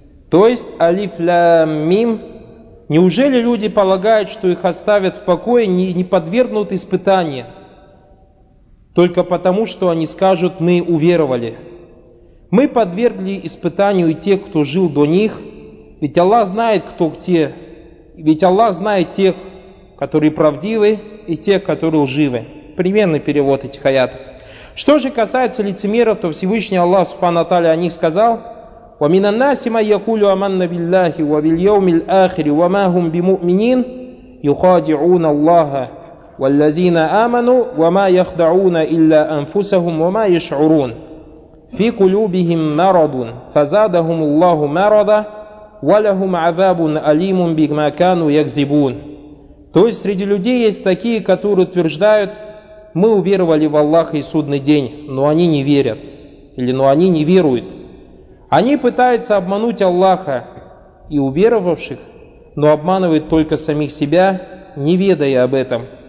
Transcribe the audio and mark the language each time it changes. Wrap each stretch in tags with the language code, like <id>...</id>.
<ru>То есть, «Алиф лам мим». Неужели люди полагают, что их оставят в покое, не подвергнут испытания, только потому, что они скажут: «Мы уверовали». Мы подвергли испытанию и тех, кто жил до них, ведь Аллах знает, кто где, ведь Аллах знает тех, которые правдивы, и тех, которые лживы. Примерный перевод этих аятов. Что же касается лицемеров, то Всевышний Аллах, субхана тааля, о них сказал:</ru> <ar>وَمِنَ النَّاسِ مَنْ يَقُولُ آمَنَّا بِاللَّهِ وَبِالْيَوْمِ الْآخِرِ وَمَا هُمْ بِمُؤْمِنِينَ يُخَادِعُونَ اللَّهَ وَالَّذِينَ آمَنُوا وَمَا يَخْدَعُونَ إِلَّا أَنفُسَهُمْ وَمَا يَشْعُرُونَ فِي قُلُوبِهِمْ مَرَضٌ فَزَادَهُمُ اللَّهُ مَرَضًا وَلَهُمْ عَذَابٌ أَلِيمٌ بِمَا كَانُوا يَكْذِبُونَ.</ar> <ru>То есть среди людей есть такие, которые утверждают: «Мы уверовали в Аллаха и Судный день», но они не верят, или «но они не веруют». Они пытаются обмануть Аллаха и уверовавших, но обманывают только самих себя, не ведая об этом.</ru>